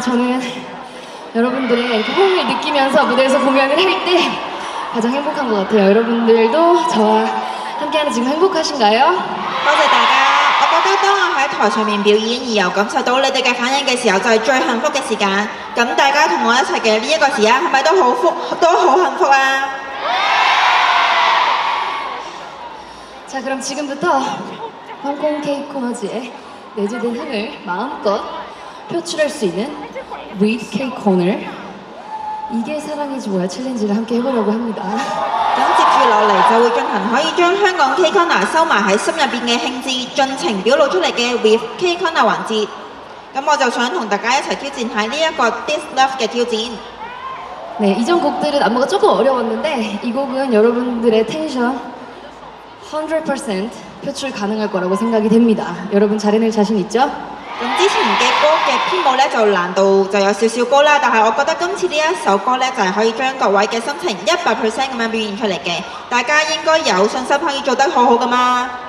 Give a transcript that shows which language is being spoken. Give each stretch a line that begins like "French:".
Korean: 저는 여러분들의 호응을 느끼면서 무대에서 공연을 할 때 가장 행복한 것 같아요. 여러분들도 저와 함께하는 지금 행복하신가요?
Cantonese: 多謝大家. 我覺得當我在台上面表演而又感受到你們的反應的時候就是最幸福的時間那大家和我一起的這個時間是不是都很幸福啊
Korean: 자, 그럼 지금부터 홍콩 K-코너즈의 내재된 흥을 마음껏 표출할 수 있는 With K-코너 이게 사랑이지 뭐야 챌린지를 함께 해보려고 합니다.
Cantonese: 接下來就會進行可以將香港 K-Corner 收埋在心裡面的慶祝盡情表露出來的 With K-Corner 環節那我就想和大家一起挑戰一下這個 This Love的挑戰
Korean: 네, 이전 곡들은 안무가 조금 어려웠는데 이 곡은 여러분들의 텐션 100% 표출 가능할 거라고 생각이 됩니다. 여러분 잘해낼 자신 있죠?
Cantonese: 之前的歌的編舞就難度就有少少高啦但是我覺得今次這一首歌就是可以將各位的心情 100%地表現出來的 大家應該有信心可以做得好好的嘛